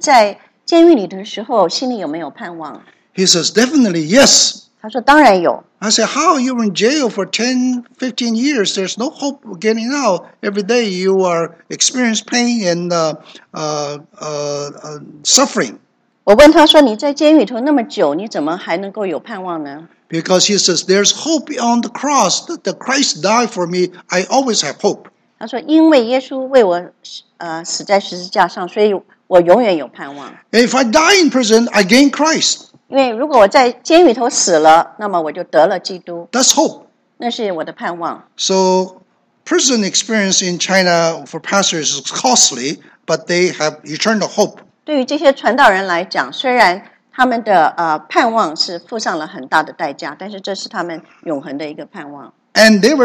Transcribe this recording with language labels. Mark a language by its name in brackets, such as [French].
[Chinese] 我在访问他的时候，我问他说，你在监狱里的时候，心里有没有盼望？ [English] He says, definitely, yes. [Chinese] 他说，当然有。 [English] I said, how are you in jail for 10, 15 years? There's no hope of getting out. Every day you are experiencing pain and suffering. [Chinese] 我问他说，你在监狱里头那么久，你怎么还能够有盼望呢？ [English] Because he says, there's hope on the cross that the Christ died for me. I always have hope. [Chinese] 他说，因为耶稣为我死在十字架上，所以我永远有盼望。 [English] If I die in prison, I gain Christ. [Chinese] 因为如果我在监狱头死了，那么我就得了基督。 [English] That's hope. [Chinese] 那是我的盼望。 [English] So prison experience in China for pastors is costly, but they have eternal hope. [Chinese] 对于这些传道人来讲，虽然 他们的盼望是付上了很大的代价，但是这是他们永恒的一个盼望。 [English] And